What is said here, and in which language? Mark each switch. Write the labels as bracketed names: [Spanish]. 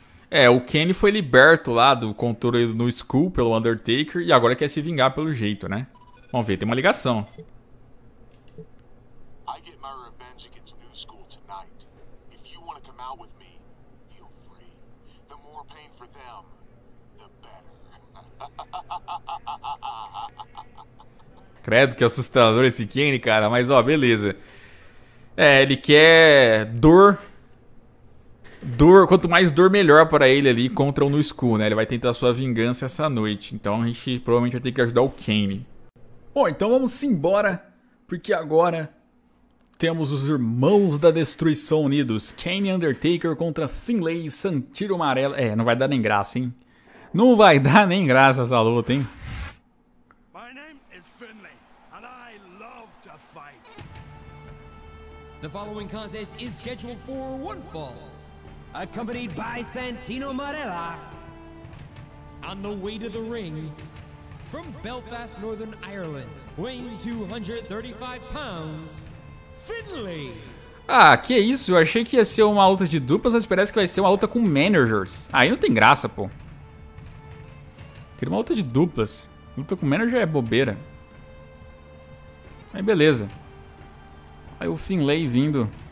[Portuguese] É, o Kane foi liberto lá do controle do New School pelo Undertaker e agora quer se vingar pelo jeito, né? Vamos ver, tem uma ligação. [English] I get my revenge against New School tonight. If you want to come out with me, feel free. The more pain for them, the better. [Portuguese] Credo, que assustador esse Kane, cara, mas ó, beleza. É, ele quer dor. Dor, quanto mais dor, melhor para ele ali contra o New School, né? Ele vai tentar sua vingança essa noite. Então a gente provavelmente vai ter que ajudar o Kane. Bom, então vamos embora, porque agora temos os Irmãos da Destruição unidos. Kane Undertaker contra Finlay Santiro Amarelo. É, não vai dar nem graça, hein? Não vai dar nem graça essa luta, hein? [English] My name is Finlay, and I love to fight. The following contest is scheduled for one fall. Accompanied by Santino Marella. On the way to the ring, from Belfast, Northern Ireland, weighing 235 pounds, Finlay. [Portuguese] Ah, que isso? Eu achei que ia ser uma luta de duplas, mas parece que vai ser uma luta com managers. Aí não tem graça, pô. Queria uma luta de duplas. Luta com manager é bobeira. Aí beleza. Aí o Finlay vindo.